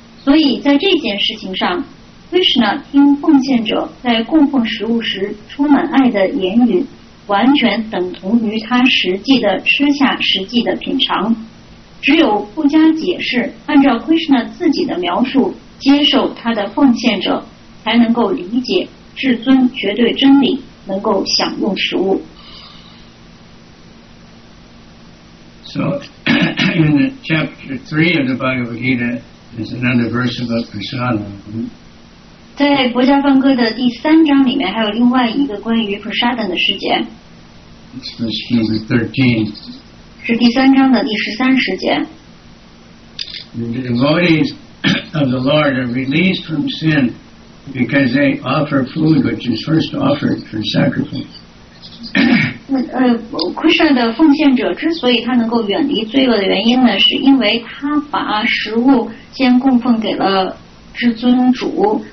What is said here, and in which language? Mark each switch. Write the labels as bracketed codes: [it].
[zh] 所以在这件事情上， Krishna 听奉献者在供奉食物时充满爱的言语，完全等同于他实际的吃下实际的品尝。只有不加解释，按照 Krishna 自己的描述接受他的奉献者，才能够理解至尊绝对真理能够享用食物。 [en] So in chapter 3 of the Bhagavad Gita, there's another verse about prasadam. [zh] 在《博伽梵歌》的第三章里面，还有另外一个关于 prasadam 的事件。 [en] It's verse number 13. [zh] 是第三章的第十三时间。 [en] The devotees of the Lord are released from sin because they offer food which is first offered for sacrifice. [zh] Krishna 的奉献者之所以他能够远离罪恶的原因呢，是因为他把食物先供奉给了至尊主。